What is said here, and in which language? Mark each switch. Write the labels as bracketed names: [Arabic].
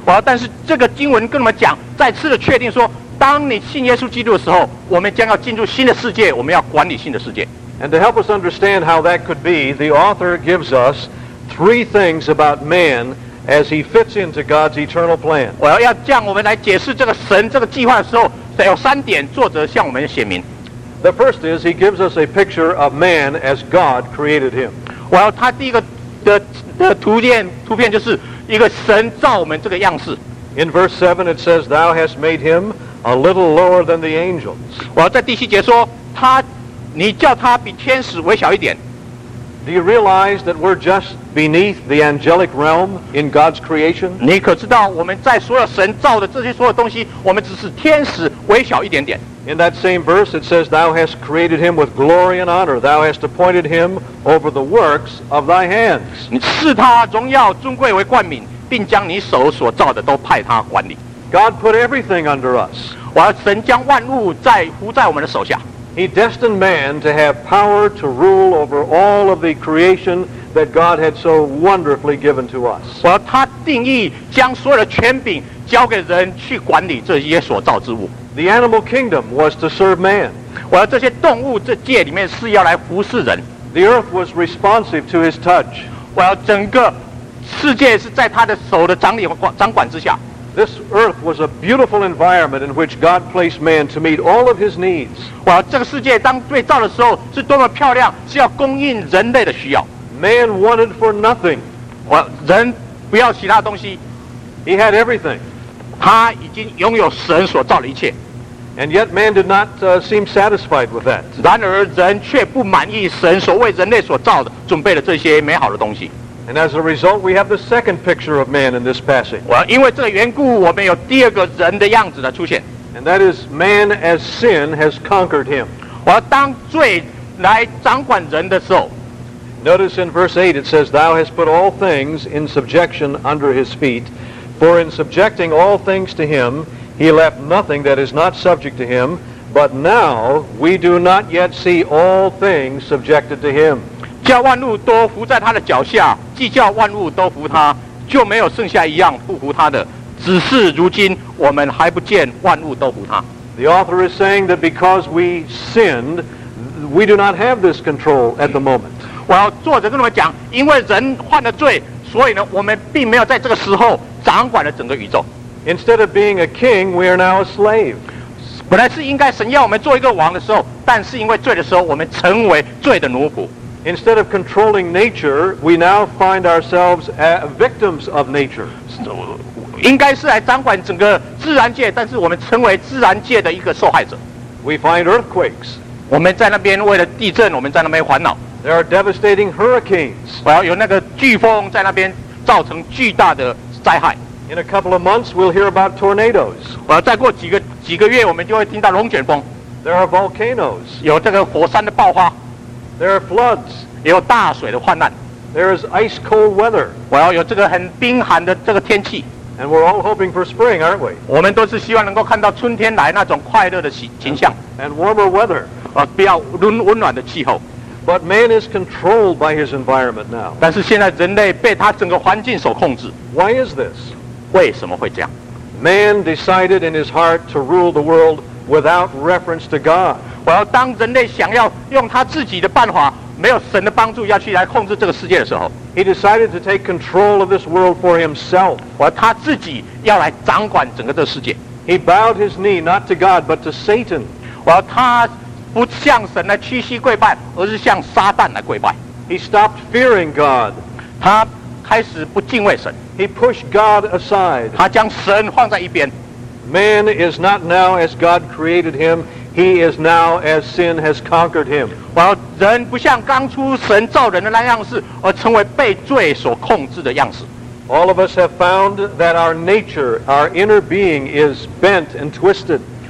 [Chinese] 但是这个经文跟我们讲，再次的确定说，当你信耶稣基督的时候，我们将要进入新的世界，我们要管理新的世界。 [English] And to help us understand how that could be, the author gives us three things about man as he fits into God's eternal plan. [Chinese] 要向我们来解释这个神这个计划的时候，有三点作者向我们写明。 [English] The first is he gives us a picture of man as God created him. [Chinese] 他第一个的图片就是一个神造我们这个样式。 [English] In verse 7 it says, Thou hast made him a little lower than the angels. [Chinese] 在第七节说，你叫他比天使微小一点。 [English] Do you realize that we're just beneath the angelic realm in God's creation? [Chinese] 你可知道我们在所有神造的这些所有东西，我们只是天使微小一点点。 [English] In that same verse, it says, Thou hast created him with glory and honor. Thou hast appointed him over the works of thy hands. [Chinese] 你视他荣耀尊贵为冠冕，并将你手所造的都派他管理。 [English] God put everything under us. [Chinese] 神将万物扶在我们的手下。 [English] He destined man to have power to rule over all of the creation that God had so wonderfully given to us. [Chinese] 他定义将所有的权柄交给人去管理这些所造之物。 [English] The animal kingdom was to serve man. [Chinese] 这些动物这界里面是要来服侍人。 [English] The earth was responsive to his touch. [Chinese] 整个世界是在他的手的掌管之下。 [English] This earth was a beautiful environment in which God placed man to meet all of his needs. [Chinese] 这个世界当被造的时候是多么漂亮，是要供应人类的需要。 [English] Man wanted for nothing. [Chinese] 人不要其他东西。 [English] He had everything. [Chinese] 他已经拥有神所造的一切。 [English] And yet man did not seem satisfied with that. [Chinese] 然而人却不满意神所为人类所造的，准备了这些美好的东西。 [English] And as a result, we have the second picture of man in this passage. [Chinese] 因为这个缘故，我们有第二个人的样子的出现。 [English] And that is man as sin has conquered him. [Chinese] 当罪来掌管人的时候。 [English] Notice in verse 8, it says, Thou hast put all things in subjection under his feet. For in subjecting all things to him, he left nothing that is not subject to him. But now we do not yet see all things subjected to him. [Chinese] 叫万物都伏在他的脚下，既叫万物都伏他，就没有剩下一样不服他的。只是如今我们还不见万物都服他。 [English] The author is saying that because we sinned, we do not have this control at the moment. [Chinese] 作者跟我们讲，因为人犯了罪，所以呢，我们并没有在这个时候掌管了整个宇宙。 [English] Instead of being a king, we are now a slave. [Chinese] 本来是应该神要我们做一个王的时候，但是因为罪的时候，我们成为罪的奴仆。 [English] Instead of controlling nature, we now find ourselves as victims of nature. [Chinese] 应该是来掌管整个自然界，但是我们成为自然界的一个受害者。 [English] We find earthquakes. [Chinese] 我们在那边为了地震，我们在那边烦恼。 [English] There are devastating hurricanes. [Chinese] 有那个飓风在那边造成巨大的灾害。 [English] In a couple of months, we'll hear about tornadoes. [Chinese] 再过几个月，我们就会听到龙卷风。 [English] There are volcanoes. [Chinese] 有这个火山的爆发。 [English] There are floods. [Chinese] 有大水的患难。 [English] There is ice cold weather. [Chinese] 有这个很冰寒的这个天气。 [English] And we're all hoping for spring, aren't we? [Chinese] 我们都是希望能够看到春天来那种快乐的景象。 [English] And warmer weather. [Chinese] 比较温暖的气候。 [English] But man is controlled by his environment now. [Chinese] 但是现在人类被他整个环境所控制。 [English] Why is this? [Chinese] 为什么会这样？ [English] Man decided in his heart to rule the world without reference to God. [Chinese] 当人类想要用他自己的办法，没有神的帮助，要去来控制这个世界的时候， [English] he decided to take control of this world for himself. [Chinese] 他自己要来掌管整个这个世界。 [English] He bowed his knee not to God but to Satan. [Chinese] 他不向神来屈膝跪拜，而是向撒旦来跪拜。 [English] He stopped fearing God. [Chinese] 他开始不敬畏神。 [English] He pushed God aside. [Chinese] 他将神放在一边。 [English] Man is not now as God created him. He is now as sin has conquered him. [Chinese] 人不像刚初神造人的那样式，而成为被罪所控制的样式。 [English] All of us have found that our nature, our inner being is bent and twisted.